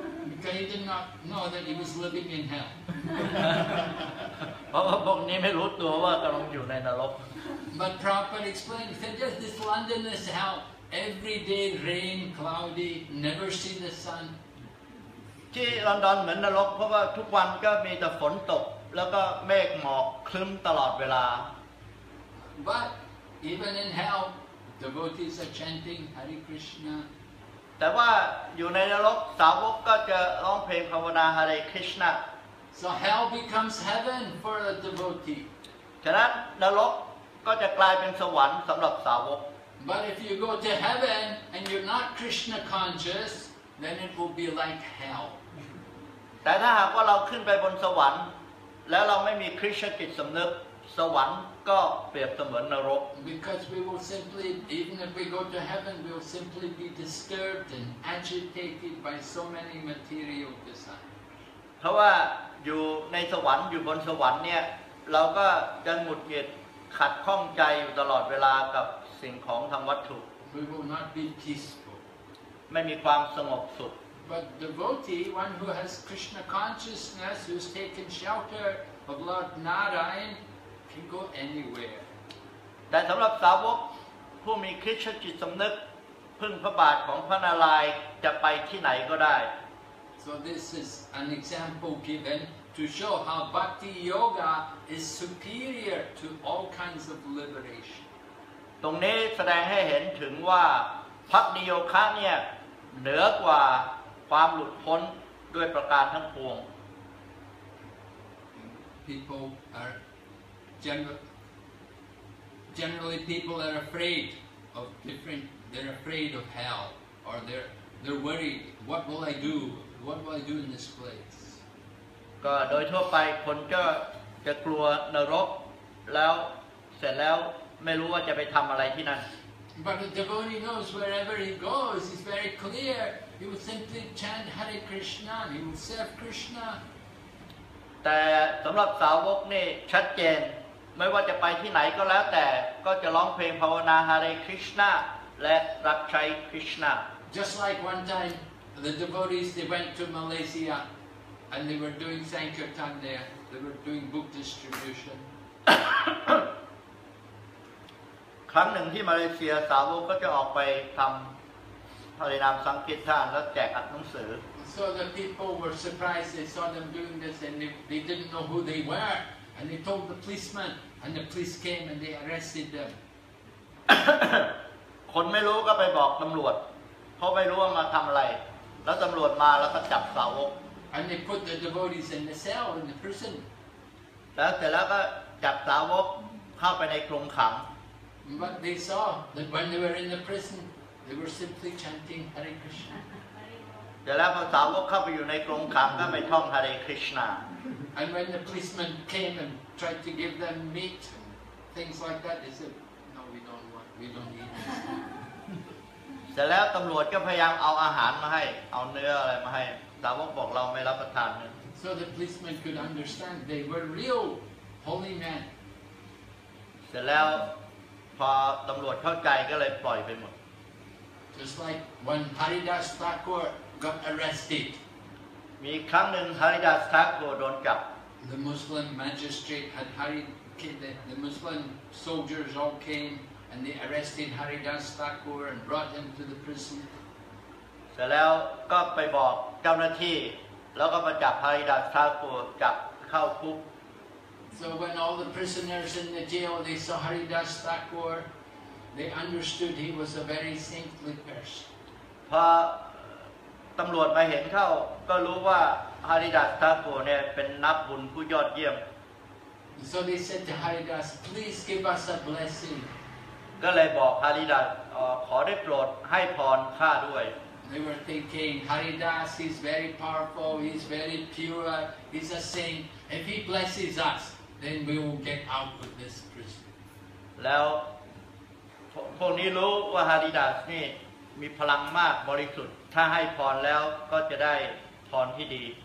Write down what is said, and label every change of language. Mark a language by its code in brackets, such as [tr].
[en] Because he did not know that he was living in hell [th] เพราะว่าพวกนี้ไม่รู้ตัวว่ากำลังอยู่ในนรก [en] But Prabhupada explained that just this London is hell every day rain cloudy never see the sun [th] ที่ลอนดอนเหมือนนรกเพราะว่าทุกวันก็มีแต่ฝนตกแล้วก็เมฆหมอกครึ้มตลอดเวลา [en] But even in hell, devotees are chanting Hare Krishna. [th] แต่ว่าอยู่ในนรกสาวกก็จะร้องเพลงภาวนา Hare Krishna. [en] So hell becomes heaven for a devotee. [th] ฉะนั้นนรกก็จะกลายเป็นสวรรค์สำหรับสาวก [en] But if you go to heaven and you're not Krishna conscious, then it will be like hell. [th] แต่ถ้าหากว่าเราขึ้นไปบนสวรรค์แล้วเราไม่มีคริสตจิตสำนึกสวรรค์ก็เปรียบเสมือนนรก [en] because we will simply even if we go to heaven we will simply be disturbed and agitated by so many material desires [th] เพราะว่าอยู่ในสวรรค์อยู่บนสวรรค์เนี่ยเราก็จะหงุดหงิดขัดข้องใจอยู่ตลอดเวลากับสิ่งของทางวัตถุ [en] we will not be peaceful [th] ไม่มีความสงบสุข [en] but devotee one who has krishna consciousness who has taken shelter of lord narayan can go anywhere [th] แต่สำหรับสาวกผู้มีคริสตจิตสำนึกพึ่งพระบาทของพระนารายณ์จะไปที่ไหนก็ได้ [en] so this is an example given to show how bhakti yoga is superior to all kinds of liberation [th] ตรงนี้แสดงให้เห็นถึงว่าภักดิโยคะเนี่ยเหนือกว่าความหลุดพ้นด้วยประการทั้งปวง [en] people areGenerally, people are afraid of different. They're afraid of hell, or they're worried. What will I do? What will I do in this place? [th] ก็โดยทั่วไปคนก็จะกลัวนรกแล้วเสร็จแล้วไม่รู้ว่าจะไปทำอะไรที่นั่น [en] But the devotee knows wherever he goes, he's very clear. He will simply chant Hare Krishna. He will serve Krishna. [th] แต่สำหรับสาวกนี่ชัดเจนไม่ว่าจะไปที่ไหนก็แล้วแต่ก็จะร้องเพลงภาวนา Hare Krishna และรับใช้ Krishna [en] Just like one time the devotees they went to Malaysia and they were doing Sankirtan there they were doing book distribution [th] ครั้งหนึ่งที่มาเลเซียสาวกก็จะออกไปทำภาวนาสังคีตานแล้วแจกอัดหนังสือ [en] So the people were surprised. They saw them doing this, and they didn't know who they were. And they told the policeman, and the police came and they arrested them. [th] คนไม่รู้ก็ไปบอกตำรวจเพราะไม่รู้ว่ามาทำอะไรแล้วตำรวจมาแล้วก็จับสาวก [en] And they put the devotees in the cell in the prison. [th] แล้วเสร็จแล้วก็จับสาวกเข้าไปในกรงขัง [en] But they saw that when they were in the prison, they were simply chanting Hare Krishna. [th] แต่แล้วพอสาวกเข้าไปอยู่ในกรงขังก็ไม่ท่องฮาเรคริชนา [en] And when the policeman came and tried to give them meat things like that they said no we don't eat [th] แต่แล้วตำรวจก็พยายามเอาอาหารมาให้เอาเนื้ออะไรมาให้สาวกบอกเราไม่รับประทานเนื้อ [en] So the policeman could understand they were real holy men [th] เสร็จแล้วพอตำรวจเข้าใจก็เลยปล่อยไปหมด [en] Just like when Haridas ThakurGot arrested. [th] มีครั้งหนึ่ง Haridas Thakur โดนจับ [en] The Muslim magistrate had Hari the Muslim soldiers all came and they arrested Haridas Thakur and brought him to the prison. So when all the prisoners in the jail, they saw Haridas Thakur, they understood he was a very saintly person. [th] ตำรวจมาเห็นเข้าก็รู้ว่าฮาริดาสทาโกเนี่ยเป็นนักบุญผู้ยอดเยี่ยม [en] So they said to Haridas, please give us a blessing. [th] ก็เลยบอกฮาริดาสขอได้โปรดให้พรข้าด้วย [en] They were thinking, Haridas is very powerful, he's very pure, he's a saint. If he blesses us, then we will get out of this prison. [th] แล้วพวกนี้รู้ว่าฮาริดาสนี่มีพลังมากบริสุทธิ์ถ้าให้พรแล้วก็จะได้พรที่ดี